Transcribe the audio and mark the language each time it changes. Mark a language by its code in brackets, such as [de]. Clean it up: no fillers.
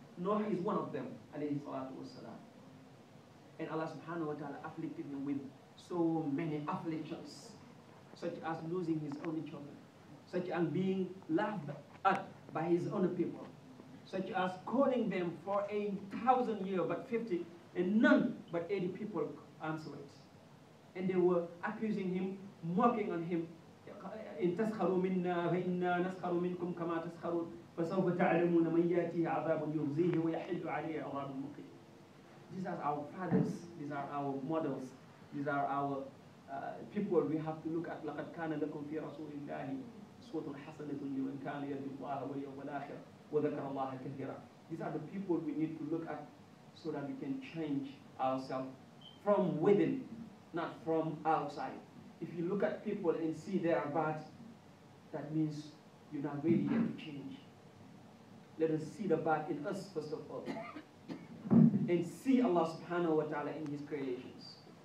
[en] Nuh is one of them, alayhi salatu wasalam. And Allah subhanahu wa ta'ala afflicted him with so many afflictions, such as losing his only children, such as being laughed at by his own people, such as calling them for 1,000 years, but 50, and none but 80 people answered it. And they were accusing him, mocking on him, [ar] إن تسخروا منا فإنا نسخر منكم كما تسخرون فسوف تعلمون من يأتيه عذاب يخزيه ويحل عليه عذاب مقيم. [en] These are our fathers, these are our models, these are our people we have to look at. [ar] لقد كان لكم في رسول الله أسوة حسنة لمن كان يرجو الله واليوم الآخر وذكر الله كثيرا. [en] These are the people we need to look at so that we can change ourselves from within, not from outside. If you look at people and see they are bad, that means you're not ready yet to change. Let us see the bad in us, first of all. And see Allah subhanahu wa ta'ala in his creations.